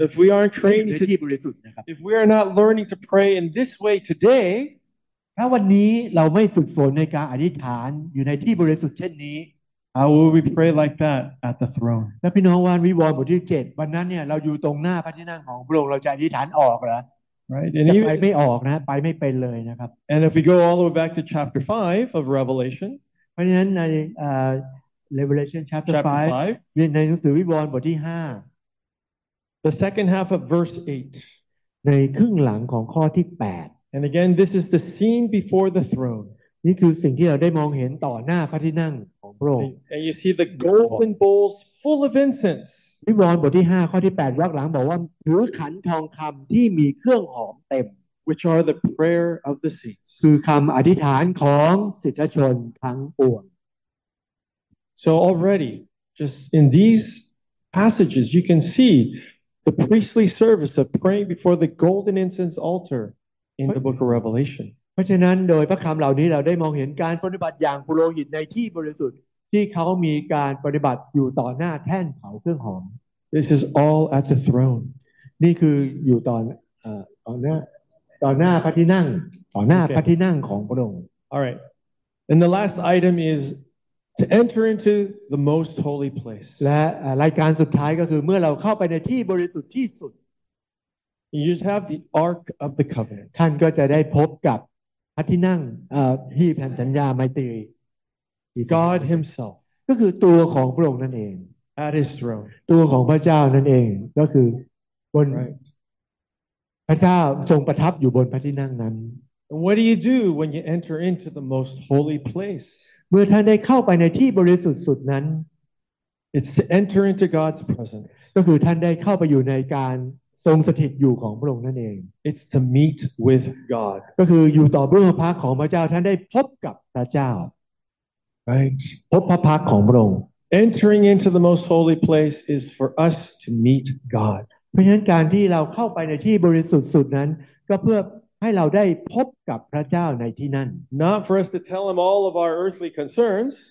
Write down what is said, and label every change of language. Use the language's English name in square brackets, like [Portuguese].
[English] If we aren't trained [Thai] ในที่บริสุทธิ์นะครับ [English] If we are not learning to pray in this way today [Thai] ถ้าวันนี้เราไม่ฝึกฝนในการอธิษฐานอยู่ในที่บริสุทธิ์เช่นนี้ [English] How will we pray like that at the throne [Thai] และพี่น้องวันวิวรณ์บทที่7วันนั้นเนี่ยเราอยู่ตรงหน้าพระที่นั่งของพระองค์เราจะอธิษฐานออกเหรอ [English] Right and you [Thai] ไปไม่ออกนะไปไม่เป็นเลยนะครับ [English] And if we go all the way back to chapter 5 of Revelation [Thai] เพราะฉะนั้นใน [English] Revelation chapter 5 [Thai] ในหนังสือวิวรณ์บทที่5 [English] The second half of verse 8 [Thai] ในครึ่งหลังของข้อที่8 [English] And again, this is the scene before the throne. [Thai] นี่คือสิ่งที่เราได้มองเห็นต่อหน้าพระที่นั่งของพระองค์ [English] And you see the golden bowls full of incense. [Thai] วิวรณ์บทที่5ข้อที่8ยักหลังบอกว่าถือขันทองคำที่มีเครื่องหอมเต็ม [English] Which are the prayer of the saints. [Thai] คือคำอธิษฐานของสิทธชนทั้งปวง [English] So already, just in these passages, you can see the priestly service of praying before the golden incense altar. In the book of Revelation. [Thai] เพราะฉะนั้นโดยพระคำเหล่านี้เราได้มองเห็นการปฏิบัติอย่างปุโรหิตในที่บริสุทธิ์ที่เขามีการปฏิบัติอยู่ต่อหน้าแท่นเผาเครื่องหอม [English] This is all at the throne. [Thai] นี่คืออยู่ต่อหน้าพระที่นั่งต่อหน้าพระที่นั่งของพระองค์ [English] All right. And the last item is to enter into the most holy place. [Thai] และรายการสุดท้ายก็คือเมื่อเราเข้าไปในที่บริสุทธิ์ที่สุด [English] You just have the Ark of the Covenant. [Thai] ท่านก็จะได้พบกับพระที่นั่งหีบแห่งสัญญาไมตรี [English] God Himself. [Thai] ก็คือตัวของพระองค์นั่นเอง [English] At His throne. [Thai] ตัวของพระเจ้านั่นเองก็คือบน [English] Right. [Thai] พระเจ้าทรงประทับอยู่บนพระที่นั่งนั้น [English] And what do you do when you enter into the most holy place? [Thai] เมื่อท่านได้เข้าไปในที่บริสุทธิ์สุดนั้น [English] It's to enter into God's presence. [Thai] ก็คือท่านได้เข้าไปอยู่ในการทรงสถิตอยู่ของพระองค์นั่นเอง [English] It's to meet with God [Thai] ก็คืออยู่ต่อพระพักของพระเจ้าท่านได้พบกับพระเจ้า [English] Right [Thai] พบพระพักของพระองค์ [English] Entering into the most holy place is for us to meet God [Thai] เพราะฉะนั้นการที่เราเข้าไปในที่บริสุทธิ์สุดนั้นก็เพื่อให้เราได้พบกับพระเจ้าในที่นั่น [English] Not for us to tell him all of our earthly concerns